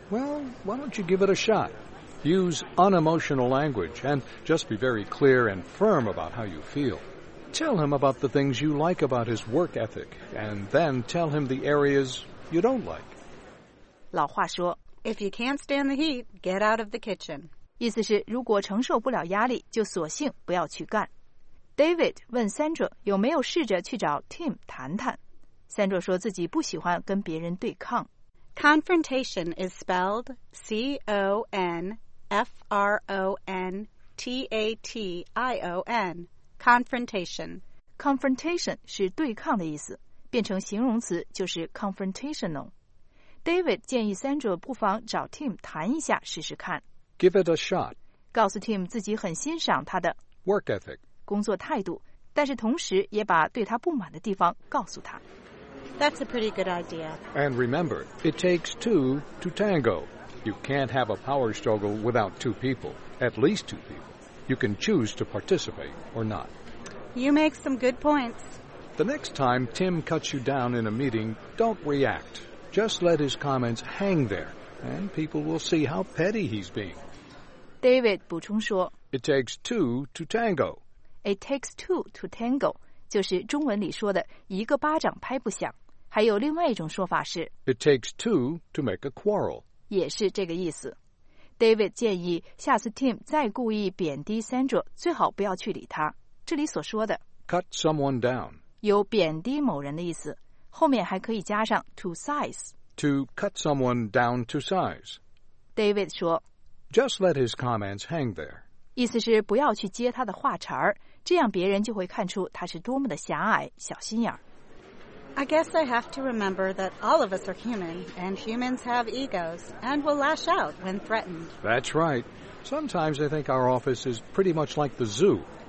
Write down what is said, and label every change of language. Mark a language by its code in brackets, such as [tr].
[en] Well, why don't you give it a shot? Use unemotional language and just be very clear and firm about how you feel. Tell him about the things you like about his work ethic, and then tell him the areas you don't like. [zh] 老话说 [en] If you can't stand the heat, get out of the kitchen. [zh] 意思是如果承受不了压力就索性不要去干。 David 问 Sandra 有没有试着去找 Tim 谈谈。 Sandra 说自己不喜欢跟别人对抗。 [en] Confrontation is spelled C-O-N-F-R-O-N-T-A-T-I-O-N. Confrontation. [zh] Confrontation 是对抗的意思变成形容词就是 confrontational。 David 建议 Sandra 不妨找 Tim 谈一下试试看。 [en] Give it a shot. [zh] 告诉 Tim 自己很欣赏他的 [en] work ethic [zh] 工作态度，但是同时也把对他不满的地方告诉他。 [en] That's a pretty good idea. And remember, it takes two to tango. You can't have a power struggle without two people, at least two people. You can choose to participate or not. You make some good points. The next time Tim cuts you down in a meeting, don't react. Just let his comments hang there and people will see how petty he's being. [zh] David 补充说, [en] It takes two to tango. It takes two to tango, 就是中文里说的一个巴掌拍不响。 [zh] 还有另外一种说法是 [en] It takes two to make a quarrel. [zh] 也是这个意思。David 建议下次 Tim 再故意贬低 Sandra, 最好不要去理他。这里所说的 [en] Cut someone down. [zh] 有贬低某人的意思。后面还可以加上 [en] to size. To cut someone down to size. [zh] David 说 [en] Just let his comments hang there. [zh] 意思是不要去接他的话茬儿，这样别人就会看出他是多么的狭隘、小心眼儿。 [en] I guess I have to remember that all of us are human, and humans have egos, and will lash out when threatened. That's right. Sometimes I think our office is pretty much like the zoo.